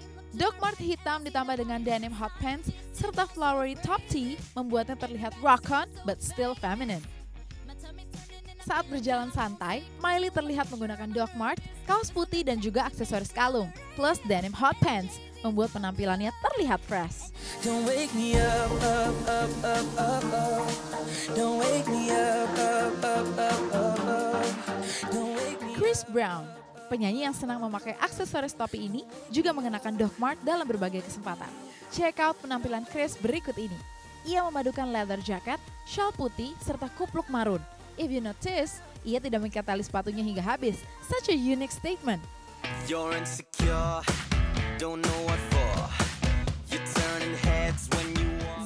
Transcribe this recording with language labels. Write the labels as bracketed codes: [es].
[id] Docmart hitam ditambah dengan denim hot pants serta flowery top tee membuatnya terlihat [en] rock on but still feminine. [id] Saat berjalan santai, Miley terlihat menggunakan Docmart, kaos putih dan juga aksesoris kalung plus denim hot pants membuat penampilannya terlihat fresh. [en] Don't wake me up, up, up, up, up, don't wake me up, up, up, up, up. [id] Chris Brown, penyanyi yang senang memakai aksesoris topi ini, juga mengenakan Docmart dalam berbagai kesempatan. [en] Check out [id] penampilan Chris berikut ini. Ia memadukan leather jacket, shawl putih, serta kupluk marun. [en] If you notice, [id] ia tidak mengikat tali sepatunya hingga habis. [en] Such a unique statement. You're insecure, don't know what for. You're turning heads when you want.